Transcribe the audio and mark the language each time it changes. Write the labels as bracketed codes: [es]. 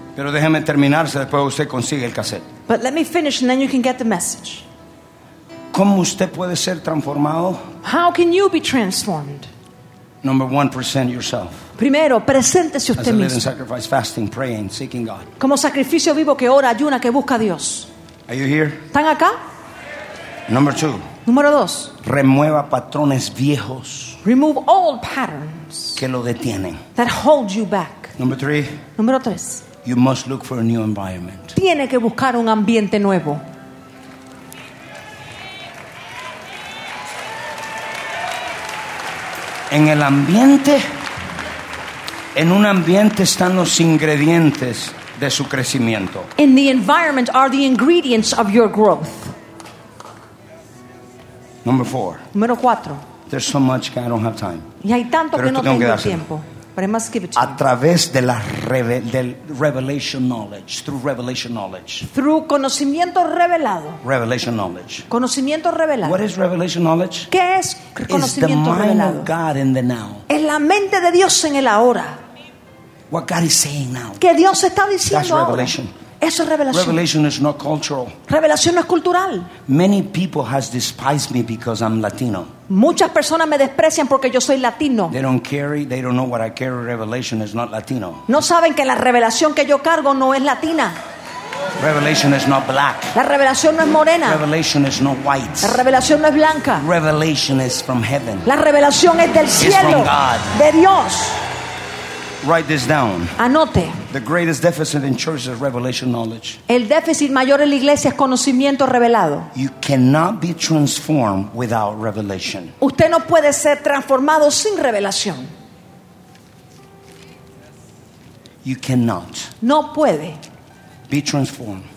[es] Pero déjeme terminarse, después usted consigue el cassette. [en] But let me finish and then you can get the message. [es] ¿Cómo usted puede ser transformado? [en] How can you be transformed? Number one, present yourself. [es] Primero, preséntese usted mismo. [en] As a living sacrifice, fasting, praying, seeking God. [es] Como sacrificio vivo que ora, ayuna, que busca a Dios. [en] Are you here? [es] ¿Están acá? [en] Number two. [es] Número dos. Remueva patrones viejos. [en] Remove old patterns. [es] Que lo detienen. [en] That hold you back. Number three. [es] Número tres. [en] You must look for a new environment. [es] Tiene que buscar un ambiente nuevo. En el ambiente, en un ambiente están los ingredientes de su crecimiento. [en] In the environment are the ingredients of your growth. Number four. [es] Número cuatro. [en] There's so much that I don't have time. [es] Y hay tanto pero que no tengo tiempo. [en] But I must give it to [es] a través de la [en] revelation knowledge, through revelation knowledge. Through [es] conocimiento revelado. [en] Revelation knowledge. [es] Conocimiento revelado. [en] What is revelation knowledge? [es] ¿Qué es conocimiento revelado? [en] It's the mind of God in the now. [es] Es la mente de Dios en el ahora. [en] What God is saying now. [es] Que Dios está diciendo ahora. [en] That's revelation. [es] Eso es revelación. [en] Revelation is not cultural. [es] Revelación no es cultural. [en] Many people has despised me because I'm Latino. [es] Muchas personas me desprecian porque yo soy latino. [en] They don't carry, they don't know what I carry. Revelation is not Latino. [es] No saben que la revelación que yo cargo no es latina. [en] Revelation is not black. [es] La revelación no es morena. [en] Revelation is not white. [es] La revelación no es blanca. [en] Revelation is from heaven. [es] La revelación es del cielo. [en] It's from God. [es] De Dios. [en] Write this down. [es] Anote. [en] The greatest deficit in church is revelation knowledge. [es] El déficit mayor en la iglesia es conocimiento revelado. [en] You cannot be transformed without revelation. [es] Usted no puede ser transformado sin revelación. [en] You cannot. [es] No puede. [en] Be transformed.